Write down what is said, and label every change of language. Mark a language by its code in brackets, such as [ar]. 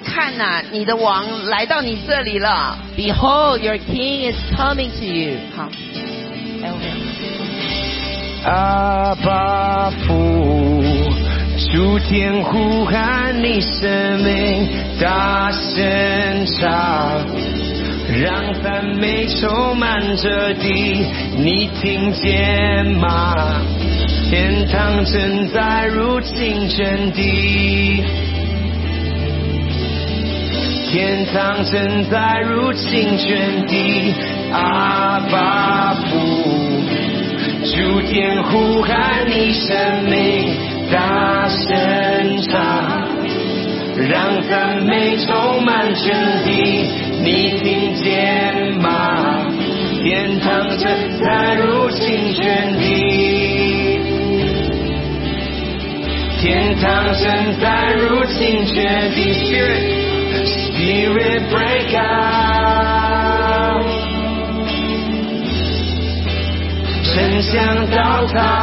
[zh] 看啊，你的王来到你这里了。 [en] Behold, your king is coming to you. [zh] 好，来我们。阿爸父，诸天呼喊你圣名，大声唱。让赞美充满这地，你听见吗？天堂正在入侵全地，天堂正在入侵全地。阿爸父，诸天呼喊你圣名，大声唱，让赞美充满全地。你听见吗？天堂正在入侵全地，天堂正在入侵全地。 [en] Spirit break out， [zh] 城墙倒塌。